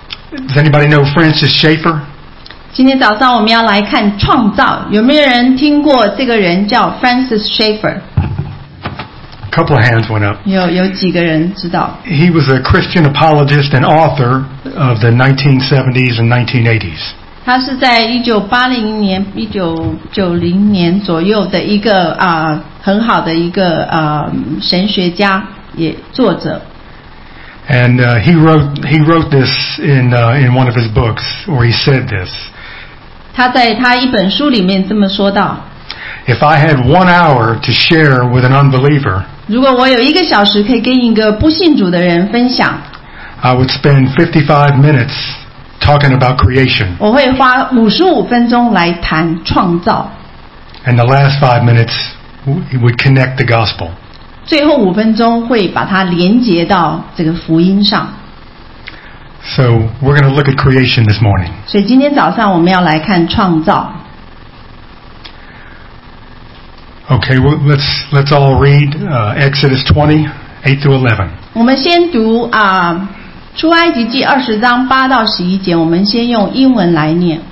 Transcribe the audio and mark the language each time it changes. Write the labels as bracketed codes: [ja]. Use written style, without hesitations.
[en] Does anybody know Francis Schaeffer? [zh] 今天早上我们要来看创造。有没有人听过这个人叫 Francis Schaeffer? [en] A couple of hands went up. [zh] 有几个人知道。 [en] He was a Christian apologist and author of the 1970s and 1980s. [zh] 他是在1980年、1990年左右的一个很好的一个神学家，也作者。 [en] And he wrote this in one of his books, or he said this. [zh] 他在他一本书里面这么说道。 [en] If I had 1 hour to share with an unbeliever, [zh] 如果我有一个小时可以跟一个不信主的人分享 [en] ，I would spend 55 minutes. Talking about creation. [zh] 我会花55分钟来谈创造。 [en] And the last 5 minutes would connect the gospel. [zh] 最后5分钟会把它连接到这个福音上。 [en] So we're going to look at creation this morning. [zh] 所以今天早上我们要来看创造。 [en] Okay, well, let's all read Exodus 20:8-11. [zh] 我们先读啊。出埃及记20:8-11，我们先用英文来念。